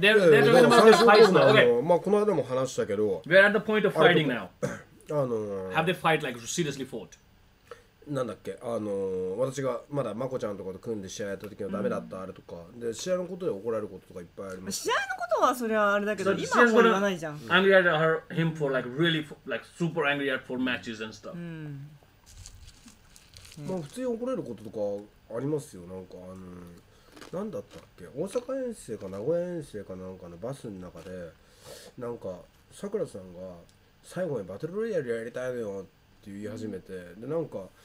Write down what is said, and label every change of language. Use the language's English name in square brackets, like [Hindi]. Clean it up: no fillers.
[Japanese] でも最初の方で、まあこの間も話したけど、 [English] We're at the point of fighting now. Have they fight like seriously fought? [Japanese] なんだっけ、私がまだまこちゃんとかと組んで試合やった時のダメだったあれとか、うん、で試合のことで怒られることとかいっぱいあります。試合のことはそれはあれだけど、今はもう言わないじゃん。 [English] Angry at her, him for like really for, like super angry at for matches and stuff、 [Japanese] うんうん、まあ普通に怒られることとかありますよ。なんかなんだったっけ、大阪遠征か名古屋遠征かなんかのバスの中で、なんかさくらさんが最後にバトルロイヤルやりたいのよって言い始めて、うん、でなんか